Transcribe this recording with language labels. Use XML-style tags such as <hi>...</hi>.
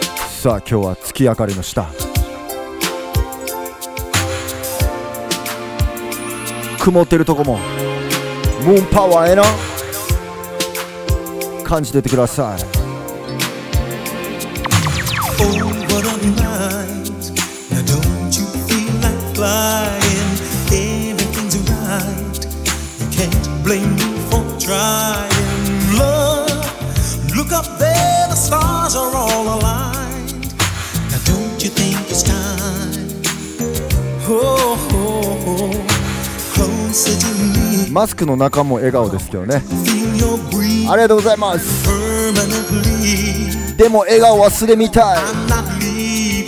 <ja>さあ今日は月明かりの下、曇ってるとこもムーンパワーへの感じててください。</ja> <en>Oh what a night, now don't you feel like flying, everything's right, you can't blame me for trying. Look, look up there, the stars are all aligned, now don't you think it's time, oh oh oh, closer to me.</en> <ja>マスクの中も笑顔ですけどね、ありがとうございます。でも笑顔はすでみたい。</ja>